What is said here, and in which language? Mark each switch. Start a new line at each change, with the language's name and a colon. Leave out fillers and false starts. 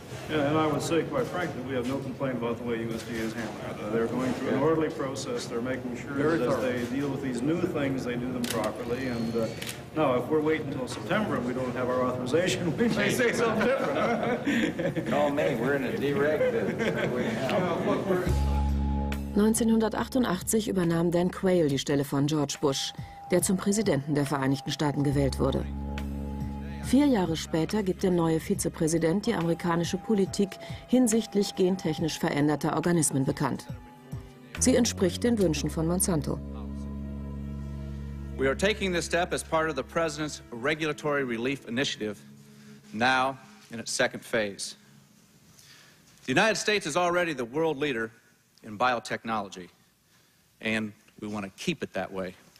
English: Yeah, and I would say, quite frankly, we have no complaint about the way USDA is handling it. They're going through an orderly process. They're making sure that they deal with these new things, they do them properly. And now, if we're waiting until September and we don't have our authorization, we may say something different. Call me. We're in a dereg business.
German: 1988 übernahm Dan Quayle die Stelle von George Bush, der zum Präsidenten der Vereinigten Staaten gewählt wurde. 4 Jahre später gibt der neue Vizepräsident die amerikanische Politik hinsichtlich gentechnisch veränderter Organismen bekannt. Sie entspricht den Wünschen von Monsanto.
English: We are taking this step as part of the President's Regulatory Relief Initiative, now in its second phase. The United States is already the world leader in biotechnology, and we want to keep it that way.